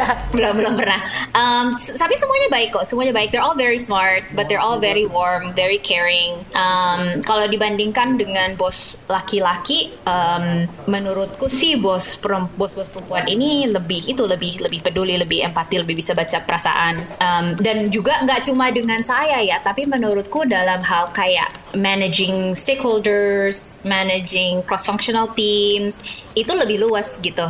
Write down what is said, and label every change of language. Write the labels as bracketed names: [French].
[Indonesian] Belum pernah. Tapi semuanya baik kok, semuanya baik. [English] They're all very smart, but they're all very warm, very caring. [Indonesian] Kalau dibandingkan dengan bos laki-laki, menurutku sih bos perempuan ini lebih peduli, lebih empati, lebih bisa baca perasaan, dan juga nggak cuma dengan saya ya, tapi menurutku dalam hal kayak [English] managing stakeholders, managing cross-functional teams [Indonesian] itu lebih luas gitu.